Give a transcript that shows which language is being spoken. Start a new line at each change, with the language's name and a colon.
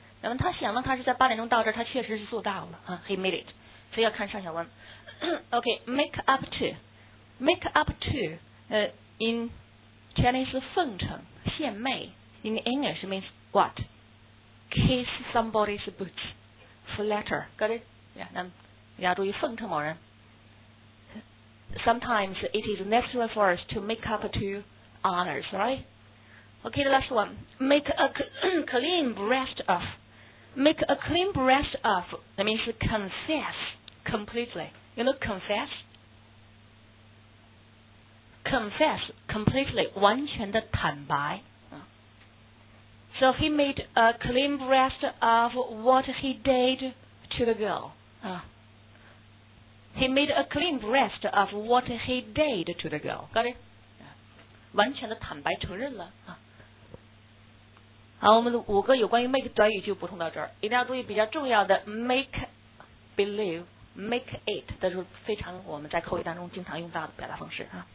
Chinese: 那么他想到他是在八点钟到这儿，他确实是做到了、
English: he made it.
Chinese: 所以要看上下文。
English: Okay, make up to. Make up to in Chinese
Chinese: 奉承、献媚
English: in English means what? Kiss somebody's boots. Flatter. Got it?
Chinese: Yeah, 那么要注意奉承某人。
English: Sometimes it is necessary for us to make up to others, right? Okay, the last one. Make a clean breast of. Make a clean breast of. That means confess completely. You know, confess? Confess completely,
Chinese: 完全的坦白。
English: So he made a clean breast of what he did to the girl. He made a clean breast of what he did to the girl. Got it?
Chinese: 完全的坦白承认了。好，我们的五个有关于 make 短语就补充到这儿。一定要注意比较重要的 make, believe, make it. 这是非常我们在口语当中经常用到的表达方式。